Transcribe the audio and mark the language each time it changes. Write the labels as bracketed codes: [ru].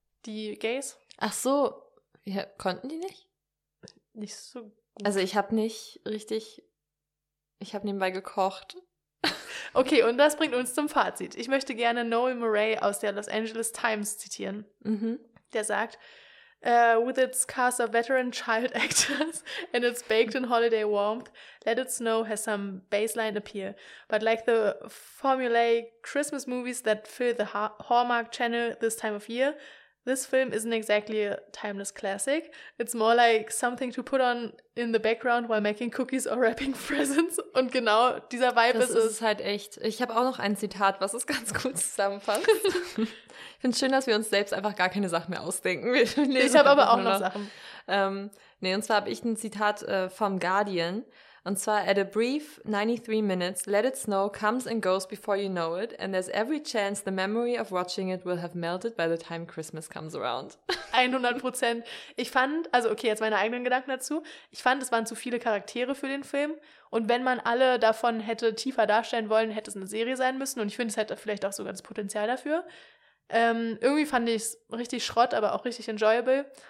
[de] Die Gays. Ach so. Ja, konnten die nicht? Nicht so gut. Also ich habe nicht richtig Ich habe nebenbei gekocht. Okay, und das bringt uns zum Fazit. Ich möchte gerne Noel Murray aus der Los Angeles Times zitieren. Mhm. Der sagt, [en] with its cast of veteran child actors and its baked in holiday warmth, Let It Snow has some baseline appeal. But like the formulae Christmas movies that fill the Hallmark Channel this time of year, this film isn't exactly a timeless classic. It's more like something to put on in the background while making cookies or wrapping presents. [de] Und genau dieser Vibe ist es. Das ist halt echt. Ich habe auch noch ein Zitat, was es ganz gut zusammenfasst. Ich finde es schön, dass wir uns selbst einfach gar keine Sachen mehr ausdenken. Ich habe aber auch noch Sachen. Und zwar habe ich ein Zitat vom Guardian. Und zwar, [en] at a brief 93 minutes, Let It Snow comes and goes before you know it, and there's every chance the memory of watching it will have melted by the time Christmas comes around. [de] 100%. Ich fand, also okay, jetzt meine eigenen Gedanken dazu. Ich fand, es waren zu viele Charaktere für den Film. Und wenn man alle davon hätte tiefer darstellen wollen, hätte es eine Serie sein müssen. Und ich finde, es hätte vielleicht auch sogar das Potenzial dafür. Irgendwie fand ich es richtig Schrott, aber auch richtig enjoyable.